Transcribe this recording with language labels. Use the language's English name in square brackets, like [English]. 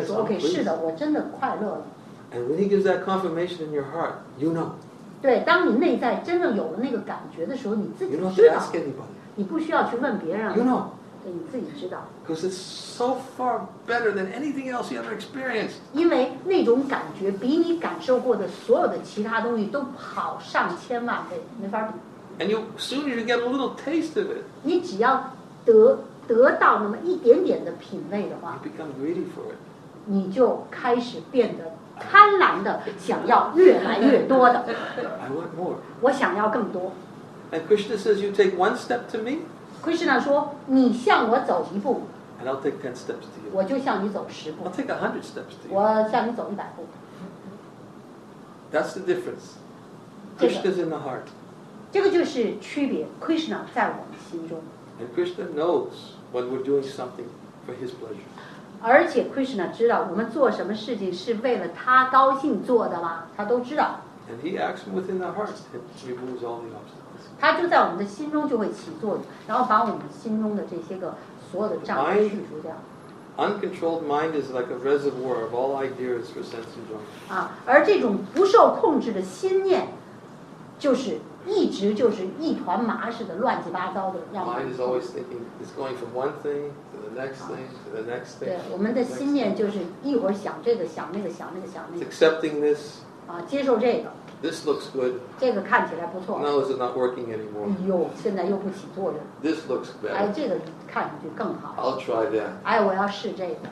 [English] Yes, [Chinese] OK, 是的，我真的快乐了。 [English] And when he gives that confirmation in your heart, you know. [Chinese] 对，当你内在真正有了那个感觉的时候，你自己知道。 [English] You don't have to ask anybody. [Chinese] 你不需要去问别人。 [English] You know. [Chinese] 对，你自己知道。 [English] Because it's so far better than anything else you ever experienced. [Chinese] 因为那种感觉比你感受过的所有的其他东西都好上千万倍，没法比。 [English] And you soon you get a little taste of it. [Chinese] 你只要得到那么一点点的品味的话 [English] ，you become greedy for it. [Chinese] 你就开始变得贪婪的，想要越来越多的。 [English] I want more. [Chinese] 我想要更多。 [English] And Krishna says, "You take one step to me." [Chinese] Krishna 说你向我走一步 [English] And I'll take 10 steps to you. [Chinese] 我就向你走十步 [English] I'll take 100 steps to you. [Chinese] 我向你走一百步 [English] That's the difference Krishna's in the heart [Chinese] 这个就是区别 Krishna 在我们心中。 [English] And Krishna knows when we're doing something for his pleasure. [Chinese] 而且 Krishna 知道我们做什么事情是为了他高兴做的吗？他都知道。 [English] And he acts within the heart and removes all the obstacles. [Chinese] 他就在我们的心中就会起作用，然后把我们心中的这些个所有的障碍去除掉。 [English] Uncontrolled mind is like a reservoir of all ideas for sense enjoyment. [Chinese] 啊，而这种不受控制的心念，就是一直就是一团麻似的，乱七八糟的。 [English] Mind is always thinking, it's going from one thing to the next thing to the next thing. [Chinese] 对，我们的心念就是一会儿想这个，想那个，想那个，想那个。 [English] It's accepting this. [Chinese] 啊，接受这个。 [English] This looks good. [Chinese] 这个看起来不错。 [English] Now is it not working anymore? [Chinese] 哎呦，现在又不起作用。 [English] This looks better. [Chinese] 哎，这个看上去更好。 [English] I'll try that. [Chinese] 哎，我要试这个。